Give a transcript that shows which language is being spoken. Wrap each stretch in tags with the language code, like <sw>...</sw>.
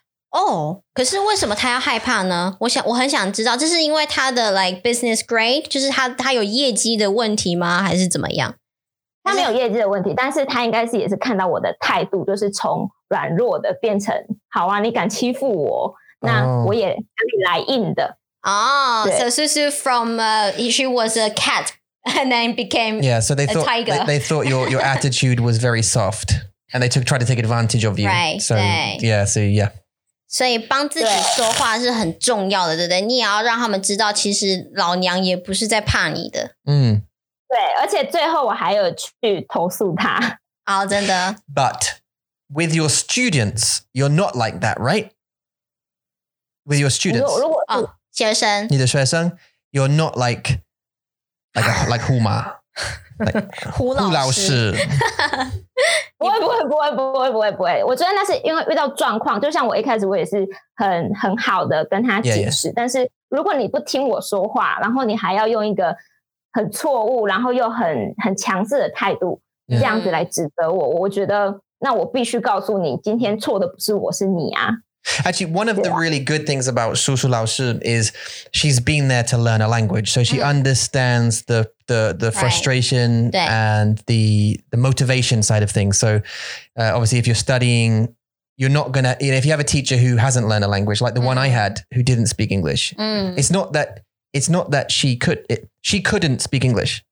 <zh>哦可是为什么他要害怕呢我很想知道这是因为他的</zh> <en>like business grade,</en> <zh>就是他有业绩的问题吗还是怎么样他没有业绩的问题但是他应该是也是看到我的态度就是从软弱的变成好啊你敢欺负我那我也跟你来硬的。</zh> <en>哦、oh, so Susu from, she was a cat and then became yeah, so they thought, a tiger. They thought your attitude was very soft and they try to take advantage of you. Right, so, yeah, so yeah.</en> <zh>所以帮自己说话是很重要的对不对你也要让他们知道其实老娘也不是在怕你的。嗯、mm.。对，而且最后我还有去投诉他。哦、oh, ，真的。</zh> <en>But with your students, you're not like that, right? With your students,</en> <zh>如果、 oh, 学生，你的学生</zh> <en>，you're not like a, like 胡马，</en> <zh>胡老师。不不会，我觉得那是因为遇到状况，就像我一开始我也是很好的跟他解释， yeah, yeah. 但是如果你不听我说话，然后你还要用一个很错误然后又很强势的态度、yeah. 这样子来指责我，我觉得那我必须告诉你今天错的不是我，是你啊。</zh> <en>Actually, one of the really good things about 叔叔老师 is she's been there to learn a language. So she understands the frustration and the motivation side of things. So obviously, if you're studying, you're not going to, you know, if you have a teacher who hasn't learned a language, like the one I had who didn't speak English, it's not that she couldn't speak English.</en>